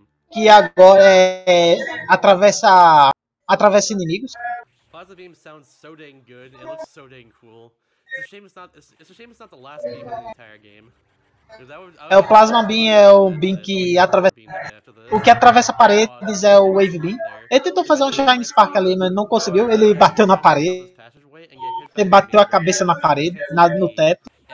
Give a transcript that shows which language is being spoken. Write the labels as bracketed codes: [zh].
[pt] Que agora atravessa inimigos. [en] Plasma Beam sounds so dang good. It looks so dang cool. It's a shame it's not the last beam in the entire game. [pt] É o Plasma Beam, é o Beam que atravessa. O que atravessa paredes é o Wave Beam. Ele tentou fazer um Shine Spark ali, mas não conseguiu. Ele bateu na parede. Ele bateu a cabeça na parede, no teto.